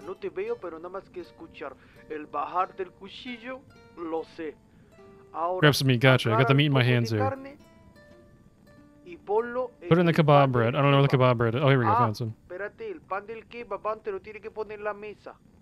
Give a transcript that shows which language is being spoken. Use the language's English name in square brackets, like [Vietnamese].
[Spanish] No te veo, pero nada más que escuchar el bajar del cuchillo. Lo sé. Ahora, [English] grab some meat, gotcha. I got the meat in my hands here. Put in the kebab bread. I don't know where the kebab bread is. Oh, here we go, found some. [Spanish] Espérate, el pan del kebab te lo tiene que poner la mesa.